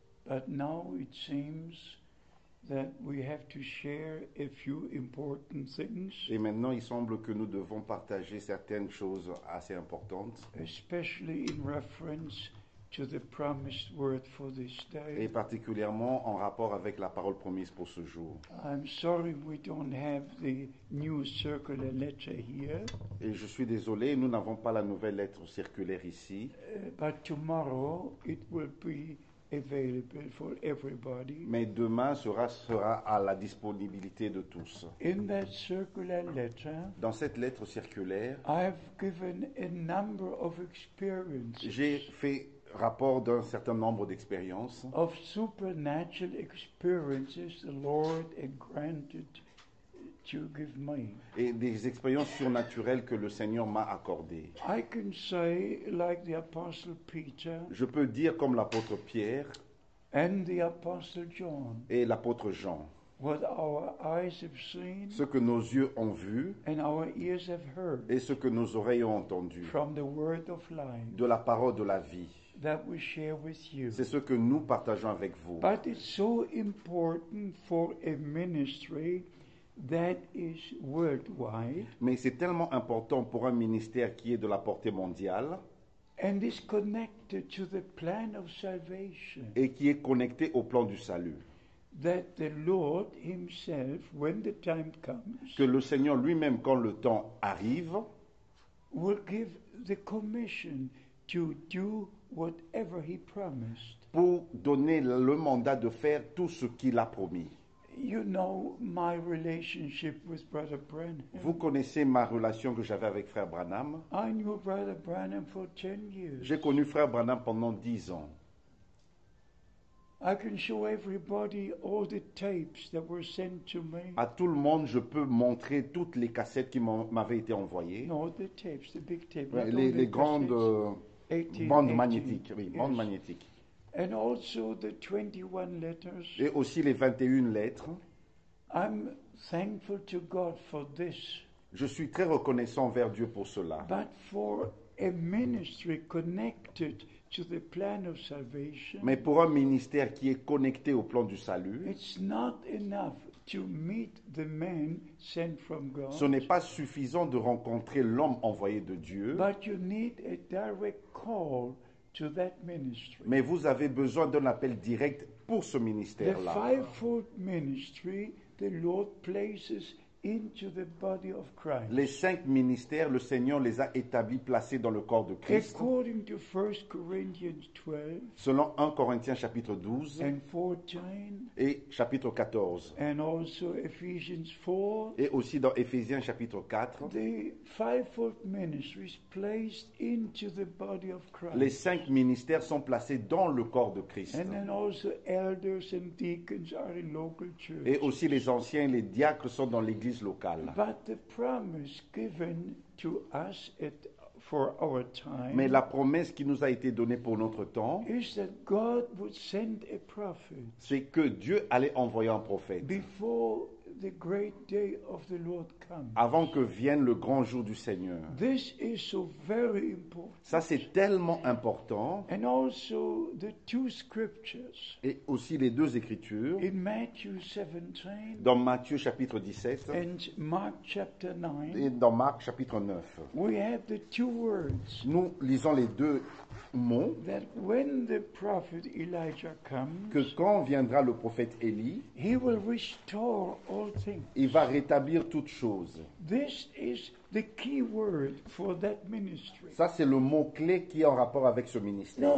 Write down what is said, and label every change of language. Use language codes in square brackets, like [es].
[en] But now it seems that we have to share a few important things. [fr] Et maintenant, il semble que nous devons partager certaines choses assez importantes. [en] Especially in reference to the promised word for this day. [fr] Et particulièrement en rapport avec la parole promise pour ce jour. [en] I'm sorry we don't have the new circular letter here. [fr] Et je suis désolé, nous n'avons pas la nouvelle lettre circulaire ici. [en] But tomorrow it will be available for everybody. [fr] Mais demain sera à la disponibilité de tous. [en] In that circular letter, [fr] dans cette lettre circulaire, [en] I've given a number of experiences. [fr] J'ai fait rapport d'un certain nombre d'expériences. [en] Of supernatural experiences the Lord had granted to give me. [fr] Et des expériences surnaturelles que le Seigneur m'a accordées. [en] I can say, like the Apostle Peter, [fr] je peux dire comme l'apôtre Pierre [en] and the Apostle John, [fr] et l'apôtre Jean. [en] What our eyes have seen, [fr] ce que nos yeux ont vu [en] and our ears have heard, [fr] et ce que nos oreilles ont entendu [en] from the word of life, [fr] de la parole de la vie. [en] That we share with you. [fr] C'est ce que nous partageons avec vous. [en] But it's so important for a ministry that is worldwide. [fr] Mais c'est tellement important pour un ministère qui est de la portée mondiale. [en] And is connected to the plan of salvation. [fr] Et qui est connecté au plan du salut. [en] That the Lord himself, when the time comes, [fr] que le Seigneur lui-même, quand le temps arrive, [en] will give the commission to do whatever he promised. [fr] Pour donner le mandat de faire tout ce qu'il a promis. [en] You know my relationship with Brother Branham. [fr] Vous connaissez ma relation que j'avais avec Frère Branham. [en] I knew Brother Branham for 10 years. [fr] J'ai connu Frère Branham pendant 10 ans. [en] I can show everybody all the tapes that were sent to me. [fr] À tout le monde, je peux montrer toutes les cassettes qui m'avaient été envoyées. [en] No, the tapes, the big tapes. [fr] Ouais, les grandes 18, bande 18, magnétique, oui, yes. Bande magnétique. [en] And also the 21 letters. [fr] Et aussi les 21 lettres. [en] I'm thankful to God for this. [fr] Je suis très reconnaissant envers Dieu pour cela. [en] But for a ministry connected to the plan of salvation, [fr] mais pour un ministère qui est connecté au plan du salut, [en] it's not enough to meet the man sent from God. [fr] Ce n'est pas suffisant de rencontrer l'homme envoyé de Dieu. [en] But you need a direct call to that ministry. [fr] Mais vous avez besoin d'un appel direct pour ce ministère-là. [en] The fivefold ministry the Lord places into the body of Christ. [fr] Les cinq ministères, le Seigneur les a établis, placés dans le corps de Christ. [en] According to 1 Corinthians 12, [fr] selon 1 Corinthiens chapitre 12 [en] and 14, [fr] et chapitre 14 [en] and also Ephesians 4, [fr] et aussi dans Ephésiens chapitre 4, [en] the fivefold ministry is placed into the body of Christ. [fr] Les cinq ministères sont placés dans le corps de Christ. [en] And then also elders and deacons are in local churches. [fr] Et aussi les anciens et les diacres sont dans l'église. Locale. [en] But the promise given to us at, for our time, [fr] mais la promesse qui nous a été donnée pour notre temps, [en] is that God would send a prophet, [fr] c'est que Dieu allait envoyer un prophète, [en] before the great day of the Lord comes, [fr] avant que vienne le grand jour du Seigneur. [en] This is so very important. [fr] Ça c'est tellement important. [en] And also the two scriptures. [fr] Et aussi les deux écritures. [en] In Matthew 17. [fr] Dans Matthieu chapitre 17. [en] And Mark chapter 9. [fr] Et dans Marc chapitre 9. [en] We have the two words. [fr] Nous lisons les deux mots. [en] That when the prophet Elijah comes, [fr] que quand viendra le prophète Élie, [en] he will restore. [fr] Il va rétablir toutes choses. [en] This is the key word for that ministry. [fr] Ça, c'est le mot-clé qui est en rapport avec ce ministère.